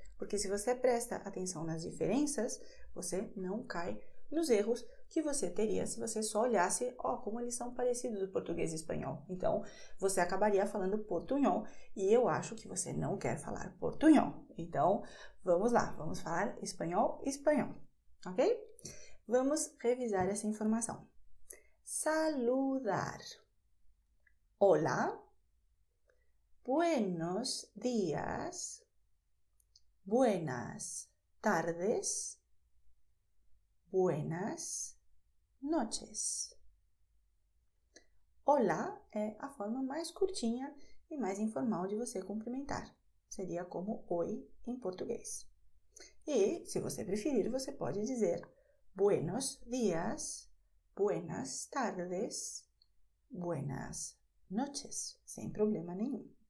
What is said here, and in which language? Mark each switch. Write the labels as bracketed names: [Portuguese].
[Portuguese] Porque se você presta atenção nas diferenças, você não cai nos erros que você teria se você só olhasse, ó, como eles são parecidos do português e espanhol. Então, você acabaria falando portunhol e eu acho que você não quer falar portunhol. Então, vamos lá, vamos falar espanhol, espanhol, ok? Vamos revisar essa informação. [Spanish] Saludar. Hola, buenos días, buenas tardes, buenas noches. [Portuguese] Hola é a forma mais curtinha e mais informal de você cumprimentar. Seria como oi em português. E, se você preferir, você pode dizer [Spanish] buenos días, buenas tardes, buenas noches, [Portuguese] sem problema nenhum.